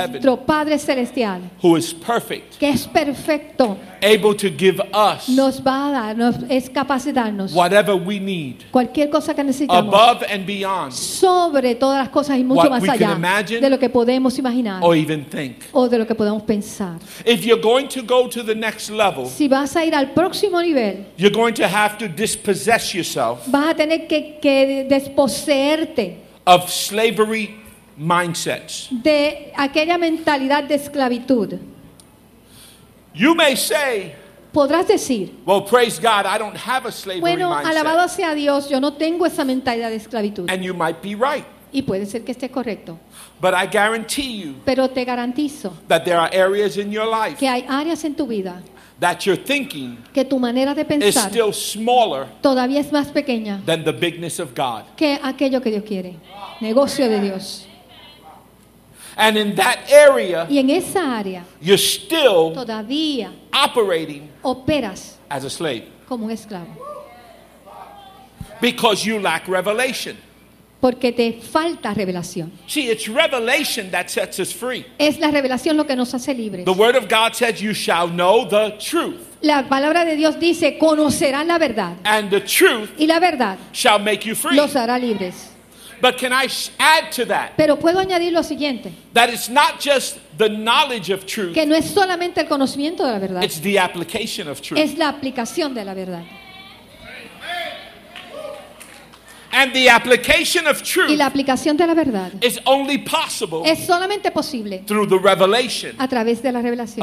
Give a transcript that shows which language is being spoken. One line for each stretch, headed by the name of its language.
English: heaven,
Spanish: nuestro Padre celestial,
English: who is perfect,
Spanish: que es perfecto,
English: able to give us,
Spanish: nos va a dar, nos es capaz de darnos,
English: whatever we need,
Spanish: cualquier cosa que necesitamos,
English: above and beyond,
Spanish: sobre todas las cosas y mucho más allá,
English: what we can imagine,
Spanish: de lo que podemos imaginar,
English: or even think,
Spanish: o de lo que podemos pensar.
English: If you're going to go to the next level,
Spanish: si vas a ir al próximo nivel,
English: you're going to have to dispossess yourself,
Spanish: vas a tener que desposeerte,
English: of slavery mindsets,
Spanish: de aquella mentalidad de esclavitud.
English: You may say,
Spanish: podrás decir,
English: well, praise God, I don't have a slavery
Spanish: bueno,
English: mindset.
Spanish: Alabado sea Dios, yo no tengo esa mentalidad de esclavitud.
English: And you might be right.
Spanish: Y puede ser que esté correcto.
English: But I guarantee you,
Spanish: pero te garantizo,
English: that there are areas in your life,
Spanish: que hay áreas en tu vida,
English: that your thinking,
Spanish: que tu manera de pensar,
English: is still smaller,
Spanish: todavía es más pequeña,
English: than the bigness of God,
Spanish: que aquello que Dios quiere, negocio de Dios.
English: And in that area,
Spanish: y en esa área,
English: you're still
Spanish: todavía
English: operating
Spanish: operas
English: as a slave.
Spanish: Como un esclavo.
English: Because you lack revelation.
Spanish: Porque te falta revelación.
English: See, it's revelation that sets us free.
Spanish: Es la revelación lo que nos hace libres.
English: The word of God says you shall know the truth.
Spanish: La palabra de Dios dice, conocerán la verdad.
English: And the truth
Spanish: y la verdad
English: shall make you free.
Spanish: Los hará libres.
English: But can I add to that?
Spanish: Pero puedo añadir lo siguiente.
English: That it's not just the knowledge of truth.
Spanish: Que no es solamente el conocimiento de la verdad.
English: It's the application of truth.
Spanish: Es la aplicación de la verdad.
English: And the application of truth
Spanish: y la aplicación de la verdad
English: is only possible
Spanish: es solamente posible
English: through the revelation
Spanish: a través de la revelación